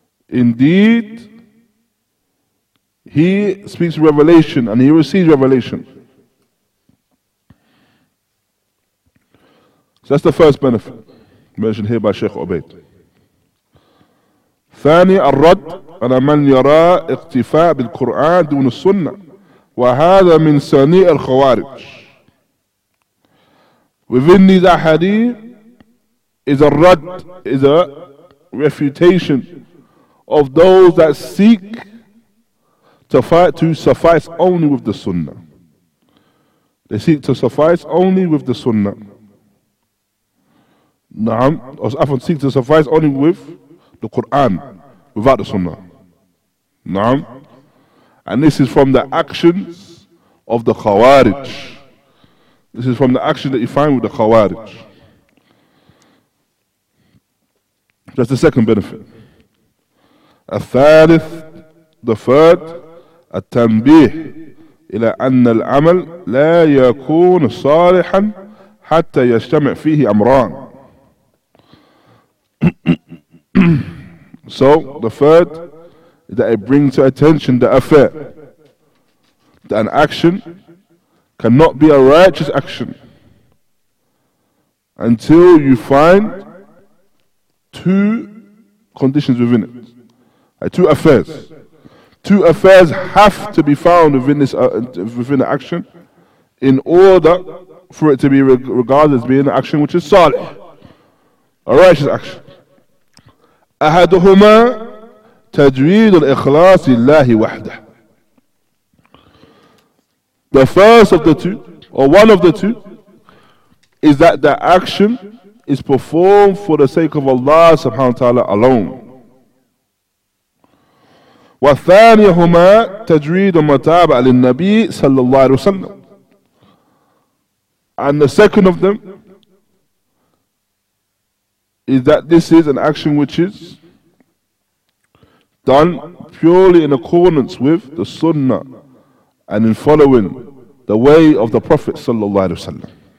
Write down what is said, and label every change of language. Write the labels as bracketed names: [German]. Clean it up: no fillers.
[English] Indeed, He speaks revelation and He receives revelation. So that's the first benefit mentioned here by Sheikh Ubaid. [Arabic] ثاني الرد على من يرى اقتفاء بالقرآن دون السنة وهذا من سنيء الخوارج. [English] Within these ahadith is a rad, is a refutation of those that seek to suffice only with the sunnah. They seek to suffice only with the sunnah. نعم, or often seek to suffice only with the Quran, without the sunnah. Naam. And this is from the actions of the khawarij. This is from the action that you find with the khawarij. That's the second benefit. [Arabic] الثالث, [English] the third, [Arabic] التنبيه إلى أن العمل لا يكون صالحا حتى يجتمع فيه أمران. [English] So, the third, that it brings to attention the affair, that an action cannot be a righteous action until you find two conditions within it, two affairs have to be found within this, within the action, in order for it to be regarded as being an action which is salih, a righteous action. [Arabic] أحدهما تجويد الإخلاص لله وحده. [English] The first of the two, or one of the two, is that the action is performed for the sake of Allah subhanahu wa ta'ala alone. [Arabic] وثانيهما تجويد المتابعة للنبي صلى الله عليه وسلم. [English] And the second of them is that this is an action which is done purely in accordance with the sunnah and in following the way of the Prophet sallallahu alaihi wasallam.